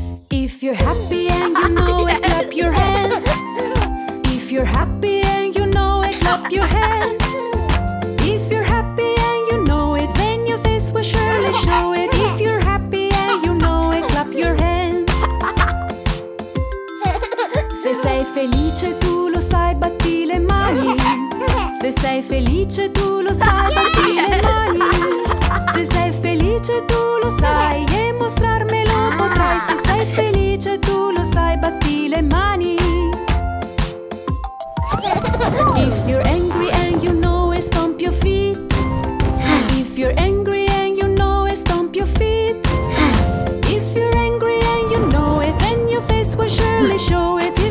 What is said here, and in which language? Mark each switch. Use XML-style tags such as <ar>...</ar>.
<en>If you're happy and you know it, clap your hands. If you're happy and you know it, clap your hands. If you're happy and you know it, then your face will surely show it. If you're happy and you know it, clap your hands.</en> <it>Se sei felice tu lo sai, batti le mani. Se sei felice tu lo sai, batti le mani. Se sei felice tu lo sai e mostrarmelo potrai. Se sei felice tu lo sai, batti le mani.</it> <en>If you're angry and you know it, stomp your feet. If you're angry and you know it, stomp your feet. If you're angry and you know it, then your face will surely show it.</en>